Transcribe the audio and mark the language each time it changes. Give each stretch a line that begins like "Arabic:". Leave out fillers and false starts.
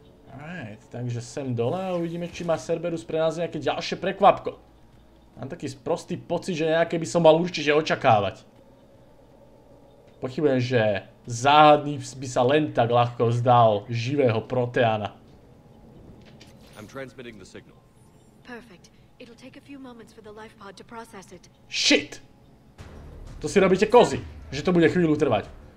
Slovak: Alright, takže sem dole a uvidíme, či má Cerberus pre nás nejaké ďalšie prekvapko. Mám taký prostý pocit, že nejaké by som mal určite očakávať. Pochybujem, že záhadný by sa len tak ľahko vzdal živého Protheana.
English: I'm transmitting the signal. Perfect. It'll take a few moments for the life pod to process it. Shit!
Slovak: To si robíte kozy, že to bude chvíľu trvať.